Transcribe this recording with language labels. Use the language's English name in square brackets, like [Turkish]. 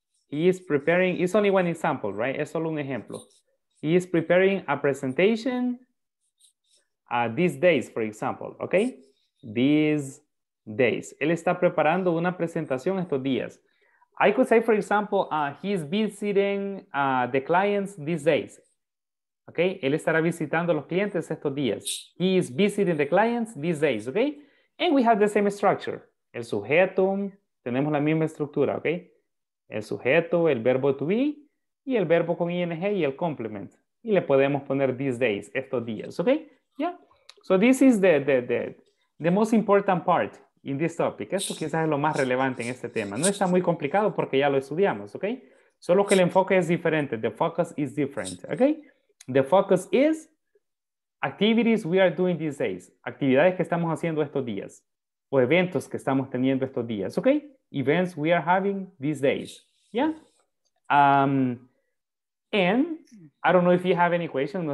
[English] It's only one example, right? [Spanish] Es solo un ejemplo. [English] He is preparing a presentation these days, for example, okay? These days. [Spanish] Él está preparando una presentación estos días. [English] I could say, for example, he is visiting the clients these days. [Spanish] Okay, él estará visitando los clientes estos días. [English] He is visiting the clients these days, okay? And we have the same structure. [Spanish] El sujeto, tenemos la misma estructura, [English] okay? [Spanish] El sujeto, el verbo to be, y el verbo con ing y el complement. Y le podemos poner [English] these days, [Spanish] estos días, okay? [English] Yeah, so this is the most important part in this topic. [Spanish] Esto quizás es lo más relevante en este tema. No está muy complicado porque ya lo estudiamos, okay? Solo que el enfoque es diferente. [English] The focus is different, [Spanish] okay? [English] The focus is activities we are doing these days. [Spanish] Actividades que estamos haciendo estos días. O eventos que estamos teniendo estos días. Okay? [English] Events we are having these days. Yeah? And I don't know if you have any question.